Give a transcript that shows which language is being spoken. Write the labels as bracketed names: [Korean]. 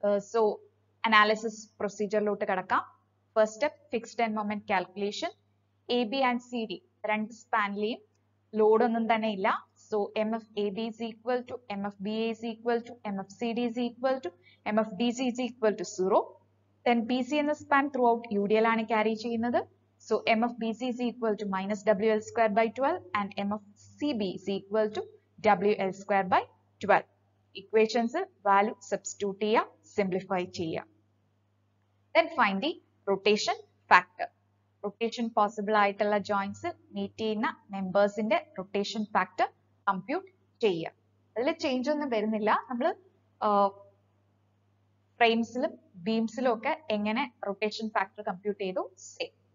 [Malayalam] So analysis പ്രൊസീജിയറിലോട്ട് കിടക്കാം. First step fixed end moment calculation. A B and C D രണ്ട് സ്പാനിലെയും load ഒന്നും തന്നെ ഇല്ല. [English] So M F A B is equal to M F B is equal to M F C D is equal to M F B C is equal to zero. Then BC in the span throughout UDL [Malayalam] ആണ് [English] carry [Malayalam] ചെയ്യുന്നത്. [English] So M of BC is equal to minus WL square by 12 and M of CB is equal to WL square by 12. Equations value substitute [Malayalam] ചെയ്യുക, [English] simplify ചെയ്യുക. Then find the rotation factor. Rotation possible [Malayalam] ആയിട്ടുള്ള [English] joints meet [Malayalam] ചെയ്യുന്ന മെമ്പേഴ്സിന്റെ rotation factor compute ചെയ്യുക. അതിൽ change ഒന്നും വരുന്നില്ല. നമ്മൾ ഫ്രെയിംസിലും ബീംസിലും ഒക്കെ എങ്ങനെ റൊട്ടേഷൻ ഫാക്ടർ കമ്പ്യൂട്ട് ചെയ്തു, സേം.